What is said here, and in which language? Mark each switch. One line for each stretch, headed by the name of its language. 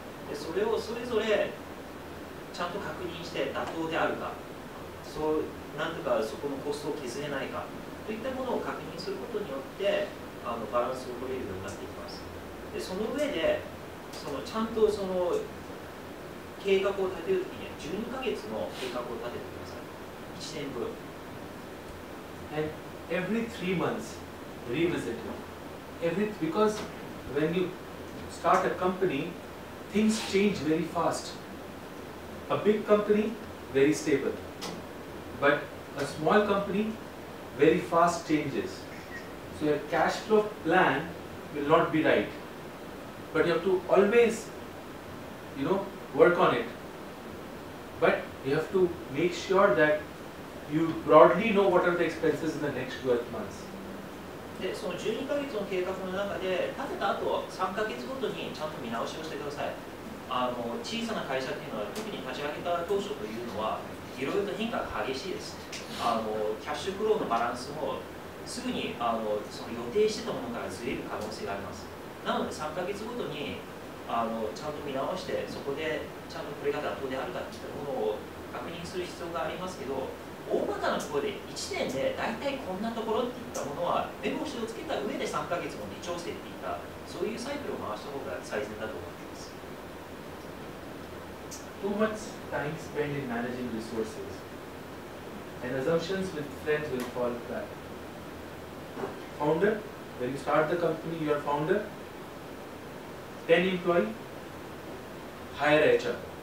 Japanese: で、それをそれぞれちゃんと確認して妥当であるか、そうなんとかそこのコストを削れないかといったものを確認することによってバランスを取れるようになっていきます。で、その上でそのちゃんとその計画を立てるときには12ヶ月の計画を立ててください。 1年分。
English: And every 3 months revisit it. Because when you start a company, things change very fast. A big company, very stable. But a small company, very fast changes. So your cash flow plan will not be right. But you have to always, work on it. But you have to make sure that you broadly know what are the expenses in the next 12 months.
Japanese: で、その12ヶ月の計画の中で、立てた後は3ヶ月ごとにちゃんと見直しをしてください。小さな会社っていうのは、特に立ち上げた当初というのは、いろいろと変化が激しいです。キャッシュフローのバランスも、すぐにその予定してたものからずれる可能性があります。なので3ヶ月ごとにちゃんと見直して、そこでちゃんとこれが妥当であるかといったものを確認する必要がありますけど、大まかなところで1年で大体こんなところといったものはメモをつけた上で3ヶ月も微調整といった、そういうサイクルを回した方が最善だと思っています。
English: Too much time spent in managing resources and assumptions with friends will fall back. founder, when you start the company, you are founder, 10 employee, hire HR.